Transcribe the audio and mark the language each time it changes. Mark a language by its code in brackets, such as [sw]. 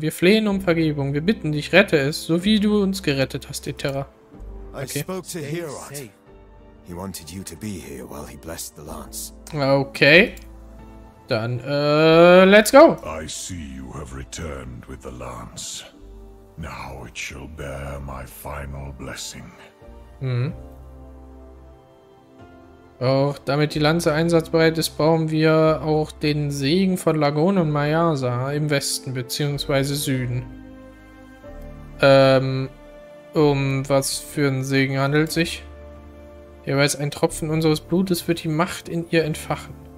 [de] Wir flehen um Vergebung, wir bitten dich, rette es, so wie du uns gerettet hast, Eterra. Okay. Ich sprach zu Herod. Er wollte dich hier sein, während er die Lanze blessed. [en] Okay. Dann, let's go. [de] Ich sehe, du hast mit der Lanze zurückgekehrt. [en] Now it shall bear my final blessing. [de] Auch damit die Lanze einsatzbereit ist, brauchen wir auch den Segen von Lagon und Mayasa im Westen bzw. Süden. Um was für einen Segen handelt sich? Jeweils ein Tropfen unseres Blutes wird die Macht in ihr entfachen.